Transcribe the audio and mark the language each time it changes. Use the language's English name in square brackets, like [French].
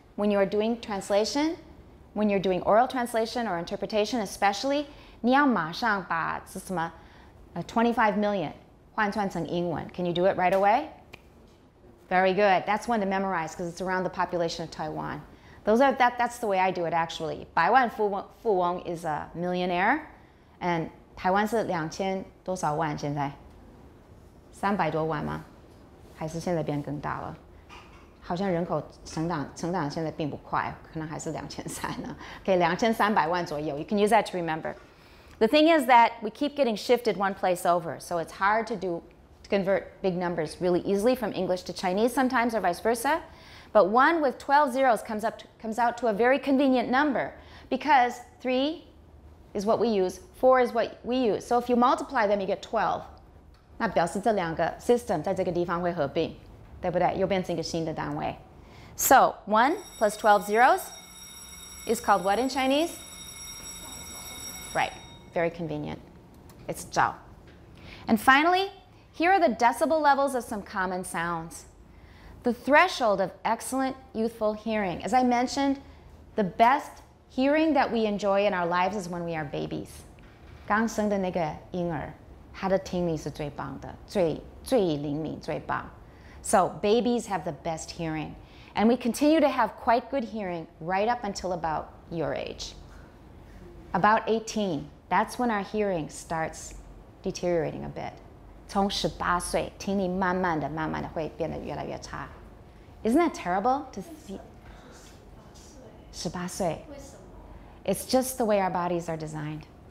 [English] When you are doing translation, when you're doing oral translation or interpretation especially, [Chinese] 你要马上把是什么25 million 换算成英文。 [English] Can you do it right away? Very good. That's one to memorize because it's around the population of Taiwan. That's the way I do it actually. 百万富翁 is a millionaire. [Chinese] And 台湾是两千多少万现在？300多万吗？还是现在变更大了？好像人口成长现在并不快，可能还是2300呢。 [English] Okay, [Chinese] 2300万左右。 [English] You can use that to remember. The thing is that we keep getting shifted one place over, so it's hard to convert big numbers really easily from English to Chinese sometimes, or vice versa. But one with 12 zeros comes out to a very convenient number, because 3 is what we use, 4 is what we use. So if you multiply them, you get 12. [Chinese] 那表示这两个 system 在这个地方会合并，对不对？又变成一个新的单位。 [English] So 1 plus 12 zeros is called what in Chinese? Right, very convenient. It's 照.And finally, here are the decibel levels of some common sounds. The threshold of excellent youthful hearing. As I mentioned, the best hearing that we enjoy in our lives is when we are babies. [Chinese] 刚生的那个婴儿，他的听力是最棒的，最灵敏，最棒。 [English] So babies have the best hearing. And we continue to have quite good hearing right up until about your age. About 18, that's when our hearing starts deteriorating a bit. [Chinese] 从十八岁，听力慢慢的、慢慢的会变得越来越差。 [English] Isn't that terrible to see? [Chinese] 十八岁。为什么？ [English] It's just the way our bodies are designed.